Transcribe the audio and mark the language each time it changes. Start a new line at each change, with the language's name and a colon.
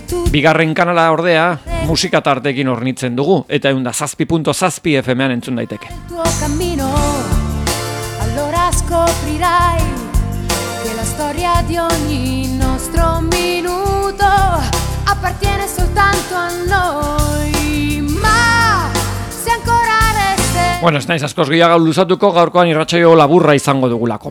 Basque: Bigarren kanala ordea musika tarteekin hornitzen dugu eta 107.7 FM-an entzun daiteke.
Italian: Allora scoprirai che la storia di ogni nostro minuto appartiene soltanto a noi, ma se ancora reste...
Basque: Bueno, ez naiz askoz gehiago luzatuko gaurkoan irratsaio laburra izango dugulako.